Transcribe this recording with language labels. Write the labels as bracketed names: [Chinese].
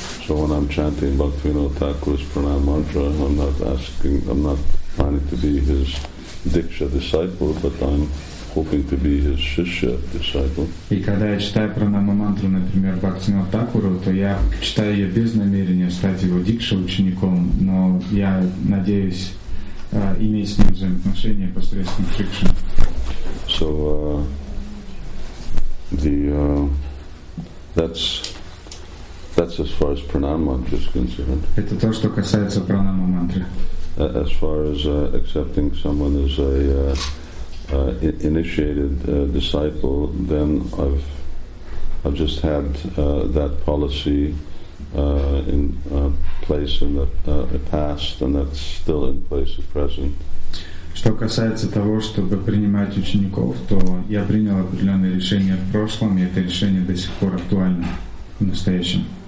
[English] So when I'm chanting Bhaktivinoda Thakur's pranama mantra, I'm not planning to be his diksha disciple, but I'm hoping to be his shishya disciple. [Russian] И когда я читаю пранама мантру, например, Бхактивинода Такуру, то я читаю ее без намерения стать его дикша учеником, но я надеюсь иметь с ним взаимоотношения посредством Кришны. [English] So that's as far as pranama mantra is concerned. [Russian] Это то, что касается пранама мантры. [English] As far as accepting someone as a initiated disciple, then I've just had that policy in place in the past, and that's still in place at present. [Russian] Что касается того, чтобы принимать учеников, то я принял определенные решения в прошлом, и это решение до сих пор актуально в настоящем.